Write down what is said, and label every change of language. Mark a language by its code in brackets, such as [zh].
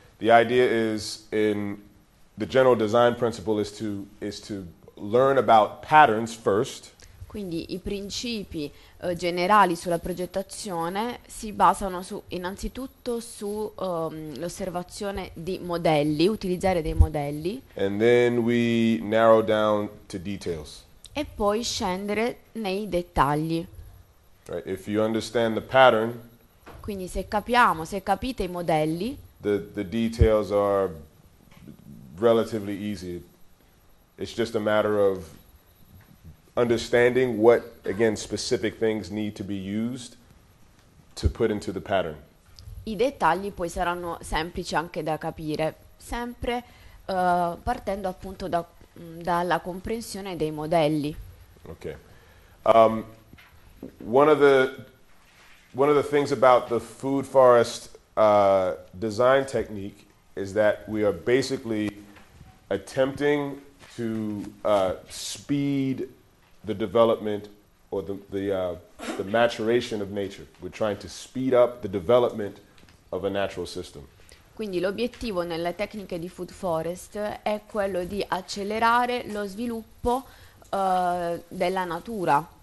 [en] The idea is in the general design principle is to learn about patterns first. [it] Quindi i principi generali sulla progettazione si basano su innanzitutto su l'osservazione di modelli, utilizzare dei modelli. [en] And then we narrow down to details. [it] E poi scendere nei dettagli. [en] Right. If you understand the pattern, [it] quindi se capite i modelli, [en] the details are relatively easy. It's just a matter of understanding what, again, specific things need to be used to put into the pattern. [it] I dettagli poi saranno semplici anche da capire, sempre partendo appunto dalla comprensione dei modelli. [en] Okay. One of the things about the food forest design technique is that we are basically attempting to speed the development or the maturation of nature. We're trying to speed up the development of a natural system. [it] Quindi l'obiettivo nelle tecniche di food forest è quello di accelerare lo sviluppo della natura.